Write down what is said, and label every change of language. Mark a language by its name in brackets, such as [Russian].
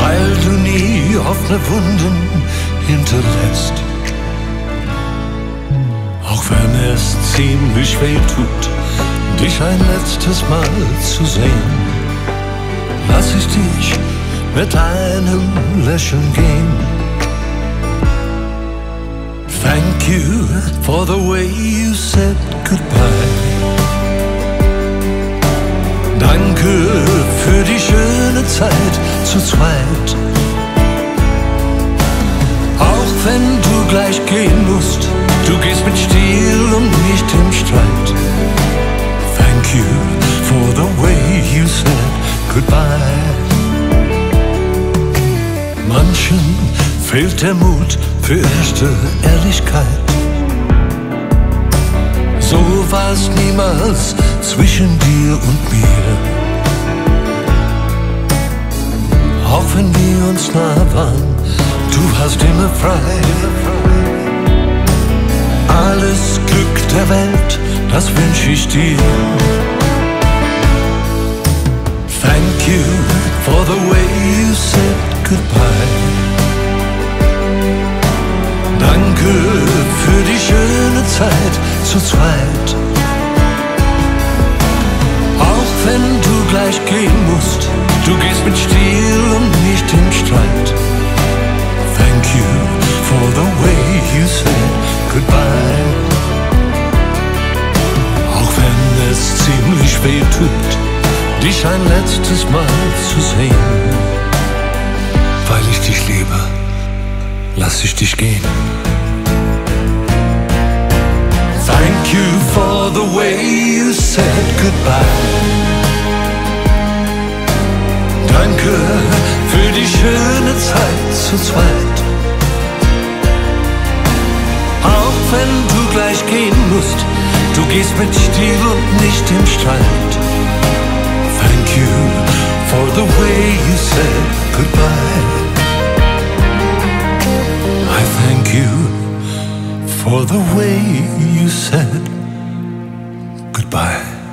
[German] Weil du nie offene Wunden hinterlässt. Auch wenn es ziemlich weh tut, dich ein letztes Mal zu sehen, lass ich dich mit einem Lächeln gehen. [English] Thank you for the way you said goodbye. [German] Danke für die schöne Zeit zu zweit. Auch wenn du gleich gehen musst, du gehst mit Stil und nicht im Streit. [English] Thank you for the way you said goodbye. [German] Manchen fehlt der Mut für echte Ehrlichkeit. So war's niemals zwischen dir und mir. Auch wenn wir uns nah waren, du warst immer frei. Alles Glück der Welt, das wünsch ich dir. [English] Thank you for the way you said goodbye. [German] Danke für die schöne Zeit zu zweit. Auch wenn du gleich gehen musst, du gehst mit Stil und nicht im Streit. [English] Thank you for the way you said goodbye. [German] Auch wenn es ziemlich weh tut, dich ein letztes Mal zu sehen. Weil ich dich liebe, lass ich dich gehen. [English] Thank you for the way you said goodbye. [German] Danke für die schöne Zeit zu zweit. Auch wenn du gleich gehen musst, du gehst mit Stil und nicht im Streit. [English] Thank you for the way you said goodbye. I thank you for the way you said goodbye.